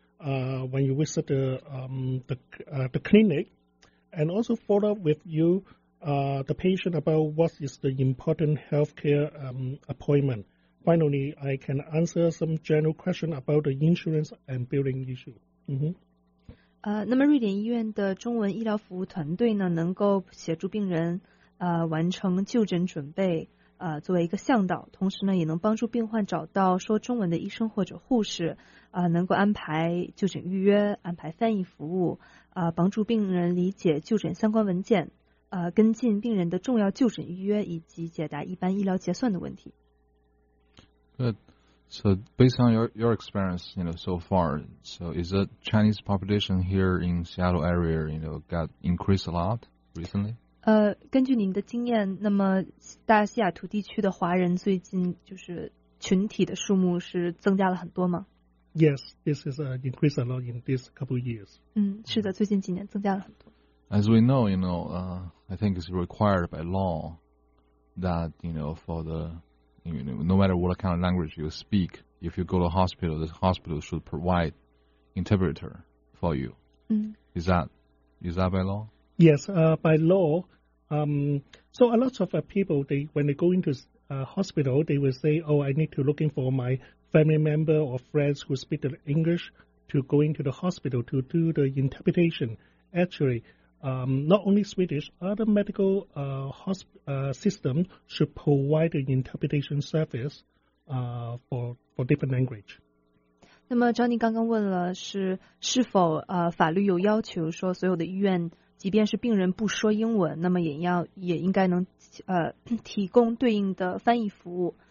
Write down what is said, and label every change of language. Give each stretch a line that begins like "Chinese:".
English: When you visit the clinic, and also follow up with you, the patient about what is the important healthcare appointment. Finally, I can answer some general question about the insurance and billing issue.
Chinese: 那么瑞典医院的中文医疗服务团队呢，能够协助病人完成就诊准备，作为一个向导，同时呢，也能帮助病患找到说中文的医生或者护士。能够安排就诊预约，安排翻译服务，帮助病人理解就诊相关文件，跟进病人的重要就诊预约，以及解答一般医疗结算的问题。
English: Good. So based on your experience, you know, so far, so is the Chinese population here in Seattle area, you know, got increased a lot recently?
Chinese: 根据您的经验，那么大西雅图地区的华人最近就是群体的数目是增加了很多吗？
English: Yes, this is increased a lot in these couple of years.
Chinese: 是的，最近几年增加了很多。
English: As we know, you know, I think it's required by law that, you know, for the, you know, no matter what kind of language you speak, if you go to a hospital, the hospital should provide interpreter for you. Is that by law? Yes, by law. So a lot of people, when they go into a hospital, they will say, oh, I need to look in for my family member or friends who speak the English to go into the hospital to do the interpretation. Actually, not only Swedish, other medical system should provide an interpretation service for different language.
Chinese: 那么 Johnny 刚刚问了是否法律有要求说所有的医院即便是病人不说英文，那么也应该能提供对应的翻译服务。